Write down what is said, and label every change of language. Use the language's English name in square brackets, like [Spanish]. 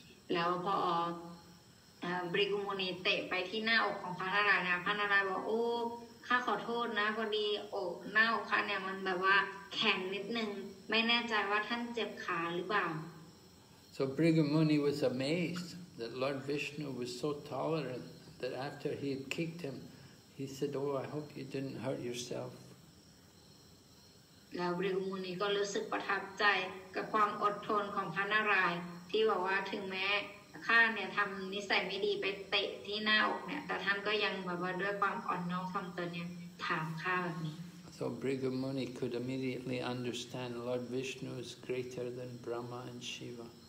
[English] So Brigamuni was amazed that Lord Vishnu was so tolerant that after he had kicked him, he said, "Oh, I hope you didn't hurt yourself." [Thai] แล้วบริกรมุนีก็รู้สึกประทับใจกับความอดทนของพระนารายณ์ที่บอกว่าถึงแม้ข้าเนี่ยทำนิสัยไม่ดีไปเตะที่หน้าอกเนี่ยแต่ท่านก็ยังแบบว่าด้วยความอ่อนน้อมถ่อมตนเนี่ยถามข้าแบบนี้ [English] So Brigamuni could immediately understand Lord Vishnu is greater than Brahma and Shiva